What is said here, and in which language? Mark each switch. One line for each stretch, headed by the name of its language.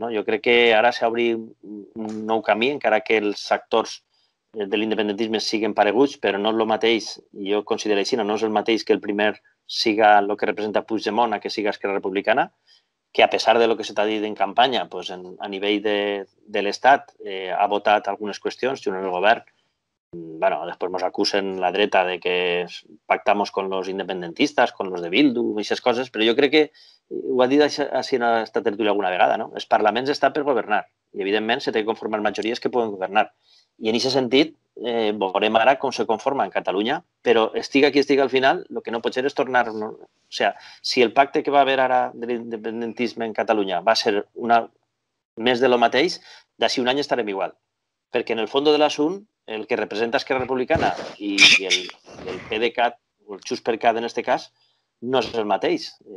Catalan: No? Jo crec que ara s'obre un nou camí, encara que els actors de l'independentisme siguin pareguts, però no és el mateix, jo considero així, no és el mateix que el primer siga el que representa Puigdemont a que siga Esquerra Republicana, que a pesar de lo que se t'ha dit en campanya, pues, a nivell de l'Estat ha votat algunes qüestions, junts amb el govern,
Spanish: bueno, después nos acusen la dreta de que pactamos con los independentistas, con los de Bildu y esas cosas, pero yo creo que
Catalan: ho ha dit així en aquesta tertúlia alguna vegada,
Spanish: no?
Catalan: Els parlaments estan per governar i, evidentment, se té que conformar majories que poden governar. I en aquest sentit, veurem ara com se conforma en Catalunya, però estiga qui estiga al final, el que no pot ser és tornar... O sea, si el pacte que va haver ara de l'independentisme en Catalunya va ser una... més de lo mateix, d'ací un any estarem igual. Perquè en el fons de l'assumpte, el que representa Esquerra Republicana i el PDeCAT, o el JxCat en aquest cas, no és el mateix.